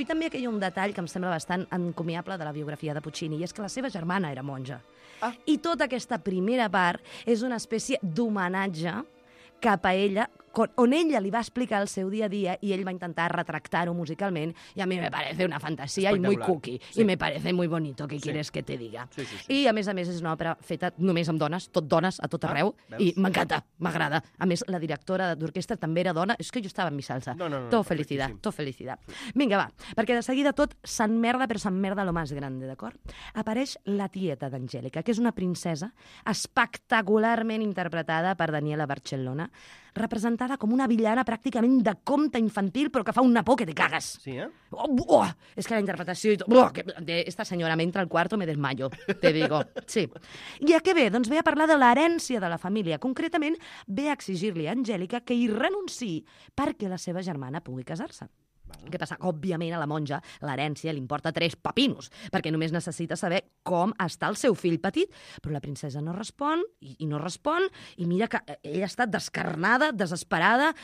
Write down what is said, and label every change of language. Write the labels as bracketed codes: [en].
[ca] I també aquell un detall que em sembla bastant encomiable de la biografia de Puccini, i és que la seva germana era monja. Ah. I tota aquesta primera part és una espècie d'homenatge cap a ella, on ella li va explicar el seu dia a dia i ell va intentar retractar-ho musicalment i [es] a mi me parece una fantasia i muy cookie. [ca] Sí. [es] Y me parece muy bonito, ¿qué quieres que te diga? Sí, sí, sí. [ca] I, a més, és una òpera feta només amb dones, tot dones, a tot arreu, i m'encanta, m'agrada. A més, la directora d'orquestra també era dona. És que jo estava [es] en mi salsa. [ca] No, felicitat. Vinga, va, perquè de seguida tot s'enmerda, però s'enmerda [es] lo más grande, [ca] d'acord? Apareix la tieta d'Angèlica, que és una princesa espectacularment interpretada per Daniela Barcellona, representada com una villana pràcticament de conte infantil, però que fa una por que te cagues. Sí, eh? Oh, buah, és que la interpretació... [es] Esta [ca] senyora m'entra [es] al cuarto, me desmayo, te digo. [ca] Sí. I a què ve? Doncs ve a parlar de l'herència de la família. Concretament, ve a exigir-li a Angèlica que hi renunciï perquè la seva germana pugui casar-se. Què passa? Òbviament, a la monja l'herència li importa 3 pepinos, perquè només necessita saber com està el seu fill petit. Però la princesa no respon, i no respon, i mira que ella està descarnada, desesperada.